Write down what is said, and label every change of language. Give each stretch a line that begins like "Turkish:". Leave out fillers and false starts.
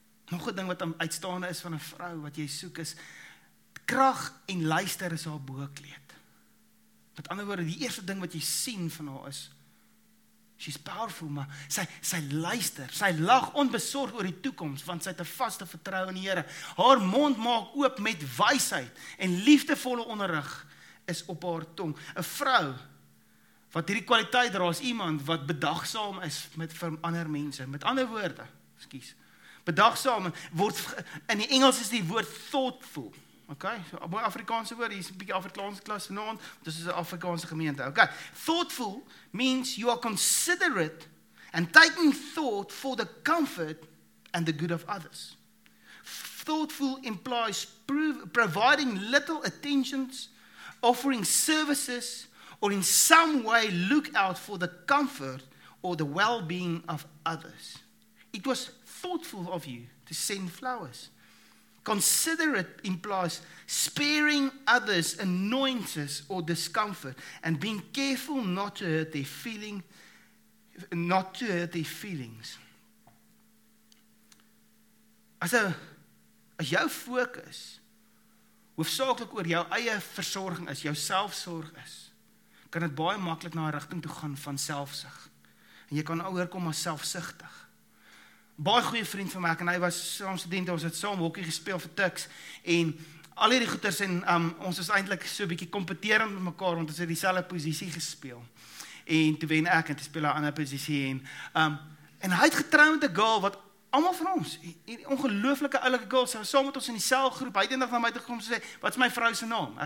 Afrikaans: Nog een ding wat uitstaande is van 'n vrou wat jy soek is, krag en luister is haar bokkleed. Met ander woorde, die eerste ding wat jy sien van haar is,
English: She's powerful,
Afrikaans: maar sy luister, sy lag onbesorg oor die toekoms, want sy het 'n vaste vertrouwe in die Here. Haar mond maak oop met wysheid en liefdevolle onderrig is op haar tong. 'n Vrou wat hierdie kwaliteit dra is iemand wat bedagsaam is met vir ander mense. Met ander woorde, ekskuus. Bedagsaam word in die Engels is die woord thoughtful. Oké, so baie Afrikaanse woord, hier is 'n bietjie Afrikaanse klas vanaand, dis 'n Afrikaanse gemeente.
English: Okay. Thoughtful means you are considerate and taking thought for the comfort and the good of others. Thoughtful implies providing little attentions, offering services or in some way look out for the comfort or the well-being of others. It was thoughtful of you to send flowers. Considerate implies sparing others annoyances or discomfort and being careful not to hurt their feelings.
Afrikaans: As jou fokus hoofsaaklik oor jou eie versorging is, jou selfsorg is, kan dit baie maklik na 'n rigting toe gaan van selfsug. En jy kan oorkom as selfsugtig. Baie goeie vriend van my, en hy was saam student, ons het saam hokkie gespeel vir tiks, en al hierdie goeters, en ons was eintlik so bietjie kompeterend met mekaar, want ons het dieselfde posisie gespeel, en toe wen ek, en toe speel hy 'n ander posisie, en hy het getrou met 'n girl, wat allemaal van ons, die ongelooflike oulike girl, sy was saam met ons in die selgroep, hy het eendag na my toe gekom, sy sê, wat is my vrou se naam?